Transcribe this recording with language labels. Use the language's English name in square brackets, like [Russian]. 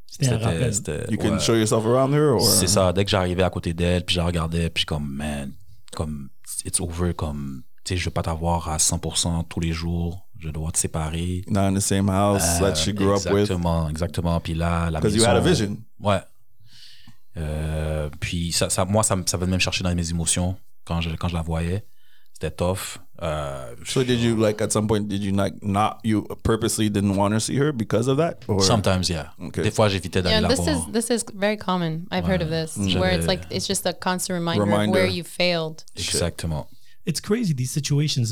[English] You can show yourself around her, or [French] c'est ça. Dès que j'arrivais à côté d'elle, puis je la regardais, puis comme man, comme [English] it's over, [French] comme tu sais, je veux pas t'avoir à 100% tous les jours. Je dois te séparer. [English] Not in the same house that she grew up with. [French] Exactement. Puis là, la maison. [English] Because you had a vision. [French] Ouais. Puis ça venait me chercher dans mes émotions quand je la voyais. C'était tough. [English] So did you like at some point did you like not you purposely didn't want to see her because of that? Or? Sometimes, yeah. Okay. [French] Des fois, j'évitais d'aller la voir. [English] This is very common. I've heard of this where it's like it's just a constant reminder of where you failed. [French] Exactement. [English] It's crazy these situations.